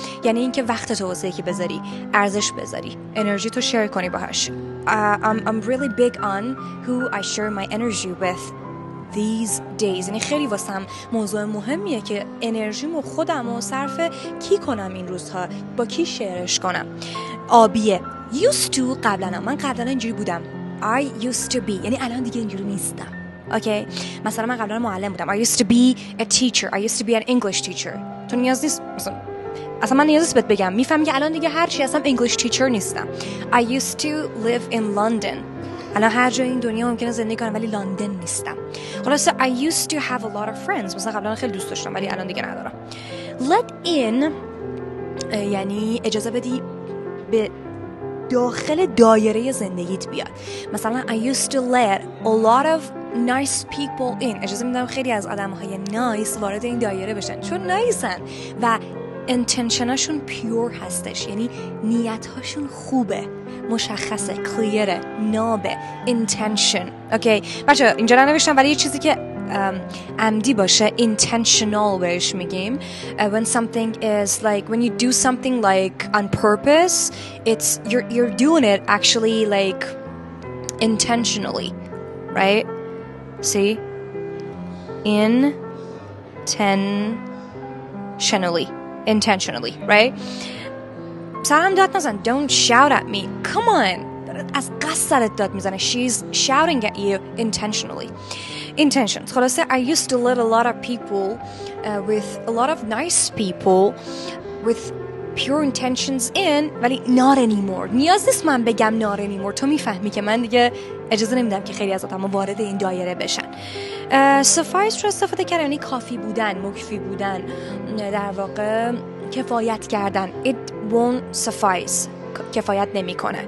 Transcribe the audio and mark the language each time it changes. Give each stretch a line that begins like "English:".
Persian: یعنی اینکه وقت تو واسه یکی بذاری, ارزش بذاری, انرژی تو شیر کنی باهاش.
English: I'm really big on who I share my energy with these days.
Persian: یعنی خیلی واسم موضوع مهمیه که انرژیمو خودمو صرف کی کنم این روزها, با کی شیرش کنم. آبیه. Used to قبلنم. من قبلن اینجوری بودم.
English: I used to be.
Persian: یعنی الان دیگه اینجوری نیستم. Okay. مثلا من قبلن معلم بودم.
English: I used to be a teacher. I used to be an English teacher.
Persian: تو نیاز نیست مثلا. اصلا من نیازی بهت بگم. میفهمی که الان دیگه هرچی اصلا
English: English teacher
Persian: نیستم.
English: I used to live in London.
Persian: الان هر جای این دنیا ممکنه زندگی کنم ولی لندن نیستم.
English: خلاصه I used to have a lot of friends.
Persian: مثلا قبلا خیلی دوست داشتم ولی الان دیگه ندارم. Let in یعنی اجازه بدی به داخل دایره زندگیت بیاد. مثلا
English: I used to let a lot of nice people in.
Persian: اجازه میدم خیلی از آدمهای نایس وارد این دایره بشن چون نایسن و intentionشون pure هستش. یعنی نیتهاشون خوبه, مشخصه, کلیره, نابه,
English: intention.
Persian: اوکی بچه اینجا ننوشتم ولی یه چیزی که عمدی باشه intentional بهش میگیم.
English: When something is like, when you do something like on purpose, it's you're doing it actually like intentionally, right? See, intentionally, right?
Persian: سرم داد نزن.
English: Don't shout at me. Come on.
Persian: از قصد سرت داد میزنه.
English: She's shouting at you intentionally. Intentions. خلاصه I used to let a lot of people with a lot of nice people with pure intentions in.
Persian: ولی
English: not anymore.
Persian: نیاز نیست من بگم not anymore. تو میفهمی که من دیگه اجازه نمیدم که خیلی از آدم وارد این دایره بشن. Suffice رو استفاده کرد. یعنی کافی بودن, مکفی بودن. در واقع کفایت کردن.
English: It won't suffice.
Persian: کفایت نمی کنه.